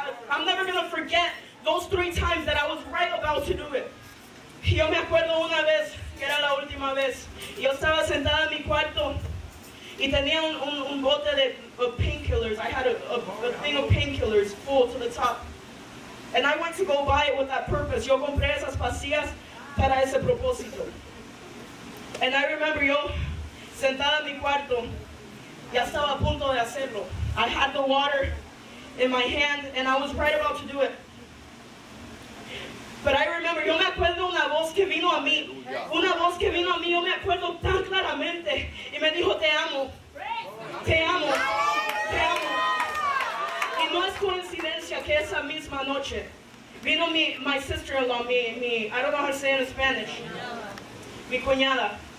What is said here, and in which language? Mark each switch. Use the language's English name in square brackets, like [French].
[English] I'm never going to forget those 3 times that I was right about to do it. [Spanish] Yo me acuerdo una vez, que era la última vez. Yo estaba sentada en mi cuarto y tenía un bote de painkillers. [English] I had a thing of painkillers full to the top. And I went to go buy it with that purpose. [Spanish] Yo compré esas pastillas para ese propósito. [English] And I remember [Spanish] yo, sentada en mi cuarto, ya estaba a punto de hacerlo. [English] I had the water in my hand, and I was right about to do it. But I remember, [Spanish] yo me acuerdo una voz que vino a mí. Una voz que vino a mí, yo me acuerdo tan claramente. Y me dijo, te amo. Te amo. Te amo. No es coincidencia que esa misma noche vino [English] my sister-in-law, [Spanish] mi [English] I don't know how to say it in Spanish. [Spanish] Mi cuñada.